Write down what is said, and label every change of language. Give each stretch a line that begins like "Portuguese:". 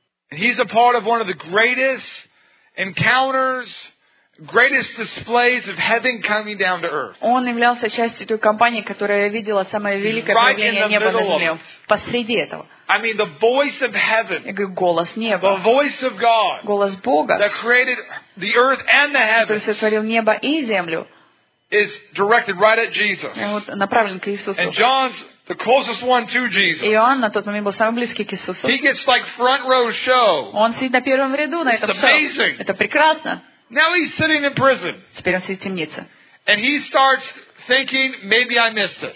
English: And he's a part of one of the greatest encounters, greatest displays of heaven coming down to earth.
Russian: Он являлся частью той компании, которая видела самое великое проявление неба на земле. Посреди этого.
English: I mean the voice of heaven.
Russian: Голос неба.
English: The voice of God.
Russian: Голос Бога.
English: That created the earth and the heavens.
Russian: Который сотворил небо и землю.
English: Is directed right at Jesus.
Russian: Направлен к Иисусу.
English: And John's the closest one to Jesus.
Russian: Иоанн на тот момент был самый близкий к Иисусу.
English: He gets like front row show.
Russian: Он сидит на первом ряду на этом шоу. Это прекрасно.
English: Now he's sitting in prison.
Russian: Теперь он сидит в темнице.
English: And he starts thinking, maybe I missed it.